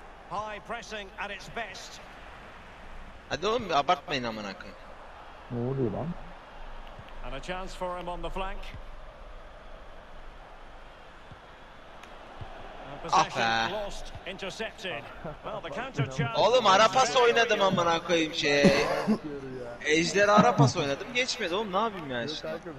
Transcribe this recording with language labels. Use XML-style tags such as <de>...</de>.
<en>High pressing at its best.</en> <tr>Hadi oğlum abartmayın amına koyayım. Ne oluyor lan?</tr> <en>And a chance for him on the flank.</en> <tr>Ah be.</tr> <en>Lost, intercepted. Well, the counter chance.</en> <tr>Oğlum ara pas oynadım amına koyayım şey. Ejder ara pas oynadım, geçmedi oğlum, ne yapayım yani işte.</tr>